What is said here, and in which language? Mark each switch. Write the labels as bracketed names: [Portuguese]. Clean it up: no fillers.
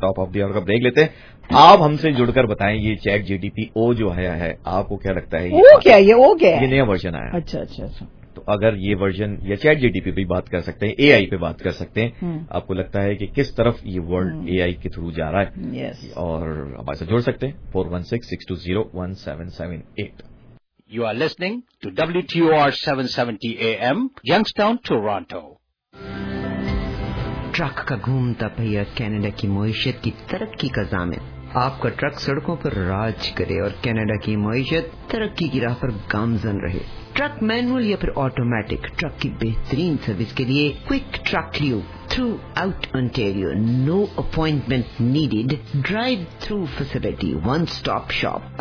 [English] top of the hour [Urdu] کا break لیتے ہیں, آپ ہم سے جڑ کر بتائیں یہ چیٹ جی ٹی پی او جو ہے آپ کو کیا لگتا ہے, وہ کیا یہ, وہ کیا یہ نیا ورژن آیا. اچھا اچھا, تو اگر یہ ورژن یا چیٹ جی ٹی پی پہ بات کر سکتے ہیں, اے آئی پہ بات کر سکتے ہیں, آپ کو لگتا ہے کہ کس طرف یہ ورلڈ اے آئی کے تھرو جا رہا ہے, اور ہمارے ساتھ جوڑ سکتے ہیں 416-620-1778. [English] You are listening to WTOR 770 AM, Youngstown, Toronto. [Urdu] Truck کا گھومتا پہیا کینیڈا کی معیشت کی ترقی کا ضامن. آپ کا ٹرک سڑکوں پر راج کرے اور کینیڈا کی معیشت ترقی کی راہ پر گامزن رہے. ٹرک مینول یا پھر آٹومیٹک, ٹرک کی بہترین سروس کے لیے کوئک ٹرک لیو تھرو آؤٹ انٹیریو, [English] No appointment needed, drive through facility, one stop shop.